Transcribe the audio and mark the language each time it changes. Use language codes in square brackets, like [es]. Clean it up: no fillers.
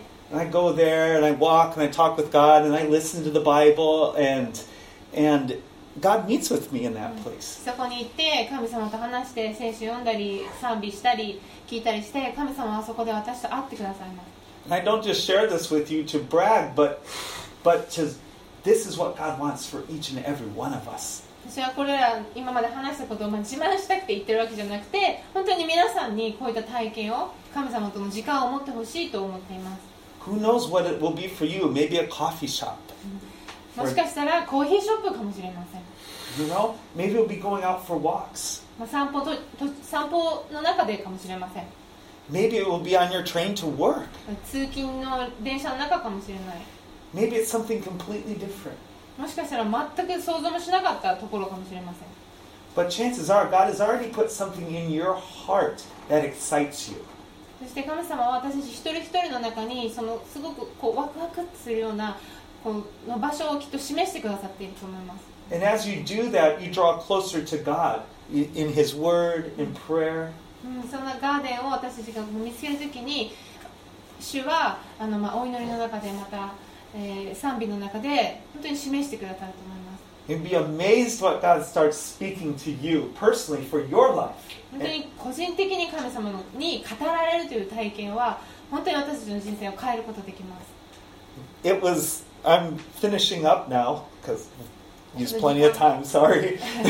[en] And I go there and I walk and I talk with God and I listen to the Bible and God meets with me in that place. [ja] そこに行って神様と話して聖書読んだり賛美したり聞いたりして神様はそこで私と会ってくださいます。 [en] And I don't just share this with you to brag, but to this is what God wants for each and every one of us. [ja] 私はこれら今まで話したことを自慢したくて言ってるわけじゃなくて、本当に皆さんにこういった体験を神様との時間を持ってほしいと思っています。 [en] Who knows what it will be for you? Maybe a coffee shop. [ja] もしかしたらコーヒーショップかもしれません。 [en] You know, maybe it'll be going out for walks. [ja] 散歩の中でかもしれません。 [en] Maybe it will be on your train to work. [ja] 通勤の電車の中かもしれない。 [en] Maybe it's something completely different. [ja] もしかしたら全く想像もしなかったところかもしれません。 [en] But chances are, God has already put something in your heart that excites you. [ja] そして神様は私たち一人一人の中にそのすごくこうワクワクするようなこの場所をきっと示してくださっていると思います。 [en] And as you do that, you draw closer to God in His Word, in prayer. [ja] そのガーデンを私たちが見つけるときに、主はまあお祈りの中でまた。賛美の中で本当に示してくださると思います。 [en] You'd be amazed what God starts speaking to you personally for your life. [ja] 本当に個人的に神様に語られるという体験は本当に私たちの人生を変えることができます。 [en] It was, I'm finishing up now because I used plenty of time, sorry.